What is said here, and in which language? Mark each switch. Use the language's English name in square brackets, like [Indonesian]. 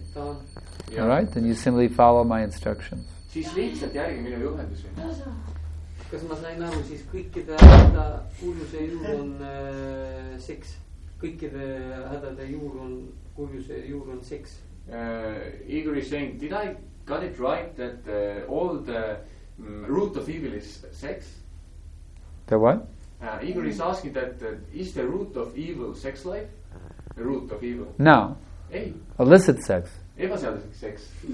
[Estonian] Tahan. [English] Yeah. All right, then you simply follow my instructions. [Estonian] Siis lihtsalt järgi minu juhendus või? Kas ma sain aru, siis kõikide hädade kurjuse juur on seks? Kõikide hädade juur on kurjuse juur on seks? [English] Igor is saying, did I got it right that all the root of evil is sex? The what? Igor is asking that is the root of evil sex life? The root of evil? No. [Estonian] Ei. [English] Illicit sex. [Estonian] Ebaseaduslik sex.